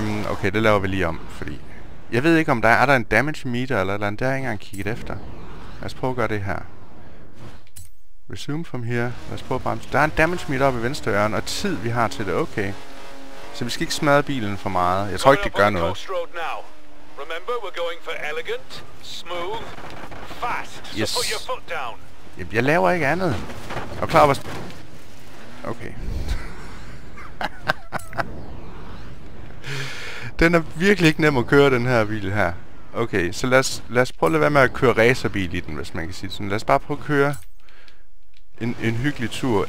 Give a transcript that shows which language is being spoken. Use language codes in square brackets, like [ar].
[da] Okay, det laver vi lige om, fordi... Jeg ved ikke, om der er der en damage meter eller andet. Det har jeg ikke engang kigget efter. Lad os prøve at gøre det her. [en] Resume from here. [da] Lad os prøve at bremse. Der er en damage meter oppe i venstre øren, og tid vi har til det. Okay. Så vi skal ikke smadre bilen for meget. Jeg tror ikke, det gør noget. [en] Remember, we're going for elegant, smooth, fast. Yes. So put your foot down. [da] Jamen, jeg laver ikke andet. Og klar, hvad... Okay. Den er virkelig ikke nem at køre, den her bil her. Okay, så lad os prøve at lade være med at køre racerbil i den, hvis man kan sige sådan. Lad os bare prøve at køre en hyggelig tur.